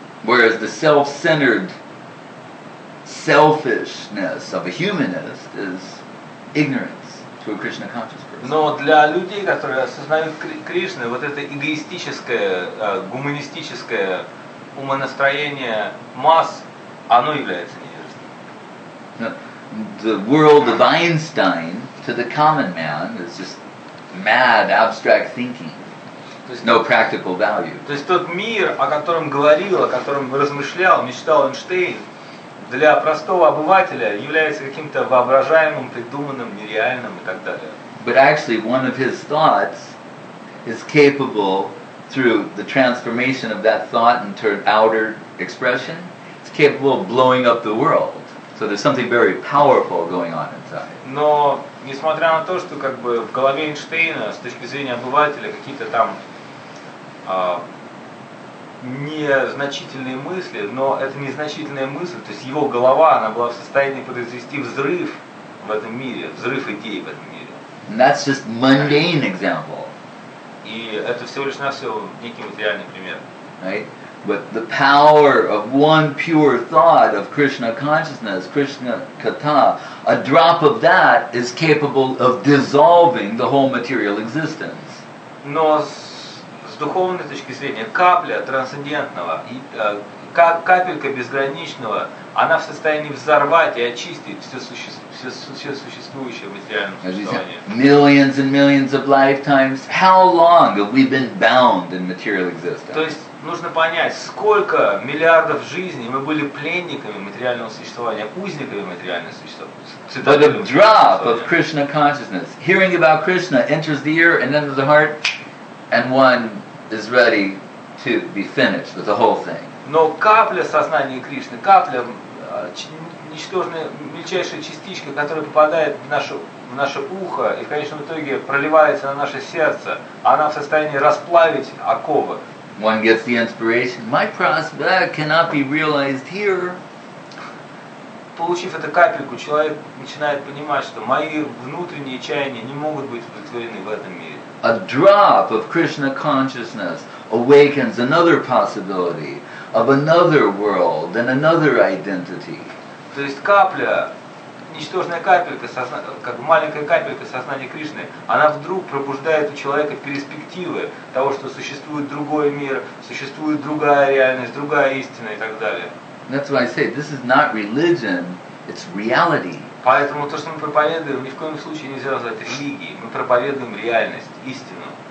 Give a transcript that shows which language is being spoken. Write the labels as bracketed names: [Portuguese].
[English] Whereas the self-centered selfishness of a humanist is ignorance to a Krishna conscious person. [Russian] Но для людей, которые осознают Кришны, вот это эгоистическое, гуманистическое умонастроение масс, оно является невежеством. [English] the world of Einstein to the common man is just mad abstract thinking. No practical value. [Russian] То есть тот мир, о котором говорил, о котором размышлял, мечтал Эйнштейн, для простого обывателя является каким-то воображаемым, придуманным, нереальным и так далее. [English] But actually, one of his thoughts is capable, through the transformation of that thought into outer expression, it's capable of blowing up the world. So there's something very powerful going on inside. [Russian] Но несмотря на то, что как бы в голове Эйнштейна с точки зрения обывателя какие-то там незначительные мысли, но это незначительная мысль, то есть его голова, она была в состоянии произвести взрыв в этом мире, взрыв идей в этом мире. [English] And that's just mundane example. [Russian] И это всего лишь навсего некий материальный пример. [English] Right? But the power of one pure thought of Krishna consciousness, Krishna katha, a drop of that is capable of dissolving the whole material existence. [Russian] Но с духовной точки зрения, капля трансцендентного, капелька безграничного, она в состоянии взорвать и очистить все существующее в материальном существовании. [English] Millions and millions of lifetimes. How long have we been bound in material existence? [Russian] То есть нужно понять, сколько миллиардов жизней мы были пленниками материального существования, узниками материального существования. [English] But a drop of Krishna consciousness, hearing about Krishna, enters the ear and enters the heart, and one is ready to be finished with the whole thing. [Russian] Но капля сознания Кришны, капля, ничтожная, мельчайшая частичка, которая попадает в наше ухо и в конечном итоге проливается на наше сердце, она в состоянии расплавить оковы. [English] One gets the inspiration, my prospect cannot be realized here. [Russian] Получив эту капельку, человек начинает понимать, что мои внутренние чаяния не могут быть удовлетворены в этом мире. [English] A drop of Krishna consciousness awakens another possibility of another world and another identity. [Russian] То есть капля, ничтожная капелька, как маленькая капелька сознания Кришны, она вдруг пробуждает у человека перспективы того, что существует другой мир, существует другая реальность, другая истина и так далее. [English] That's why I say this is not religion, it's reality. [Russian] Поэтому то, что мы проповедуем, ни в коем случае нельзя назвать религией. Мы проповедуем реальность, истину.